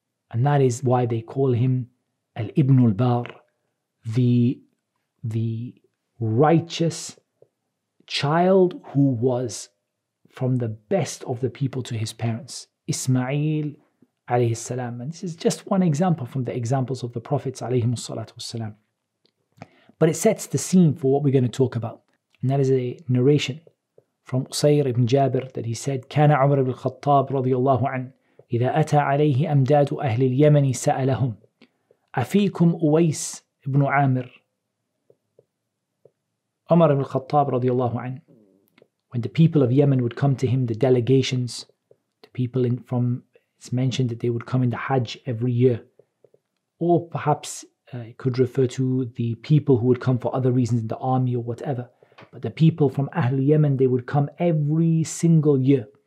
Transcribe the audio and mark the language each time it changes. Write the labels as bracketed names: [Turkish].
[English] And that is why they call him Al-Ibn al-Bar, the righteous child who was from the best of the people to his parents, Ismail alayhi salam. And this is just one example from the examples of the prophets alayhi salatu wasalam. But it sets the scene for what we're going to talk about. And that is a narration from Usayr ibn Jabir that he said, [Arabic] كان عمر بن الخطاب رضي الله عنه إذا أتى عليه أمداد أهل اليمن سألهم أفيكم أويس بن عامر. عمر بن الخطاب رضي الله عنه, [English] when the people of Yemen would come to him, the delegations, the people in, from, it's mentioned that they would come in the Hajj every year, or perhaps it could refer to the people who would come for other reasons in the army or whatever, but the people from Ahl Yemen, they would come every single year.